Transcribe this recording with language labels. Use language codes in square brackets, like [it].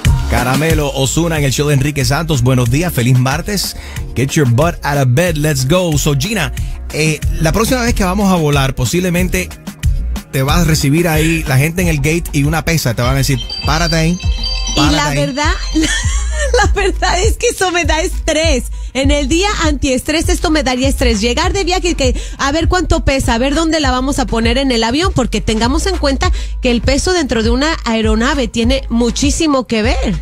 [es] Caramelo, Ozuna en el show de Enrique Santos. Buenos días, feliz martes. [en] Get your butt out of bed, let's go. [es] So Gina, la próxima vez que vamos a volar, posiblemente te vas a recibir ahí la gente en el gate y una pesa, te van a decir, párate ahí. Y la verdad, la verdad es que eso me da estrés. En el día antiestrés, esto me daría estrés. Llegar de viaje, a ver cuánto pesa, a ver dónde la vamos a poner en el avión, porque tengamos en cuenta que el peso dentro de una aeronave tiene muchísimo que ver.